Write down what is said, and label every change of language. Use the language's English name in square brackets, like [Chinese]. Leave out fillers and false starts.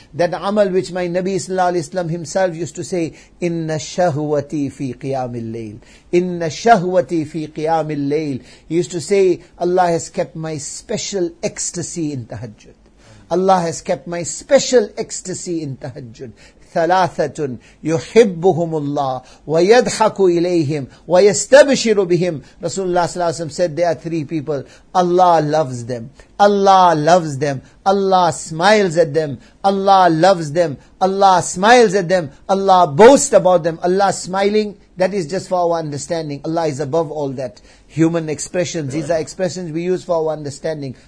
[English] That amal which my Nabi sallallahu alayhi wa sallam himself used to say, Inna shahwati fi qiyam al-layl. Inna shahwati fi qiyam al-layl. He used to say, Allah has kept my special ecstasy in tahajjud. Allah has kept my special ecstasy in tahajjud. [Arabic] ثلاثة يحبهم الله ويضحك إليهم ويستبشر بهم. [English] Rasulullah صلى الله عليه وسلم said there are three people. Allah loves them. Allah loves them. Allah smiles at them. Allah loves them. Allah smiles at them. Allah boasts about them. Allah smiling, that is just for our understanding. Allah is above all that. Human expressions, these are expressions we use for our understanding.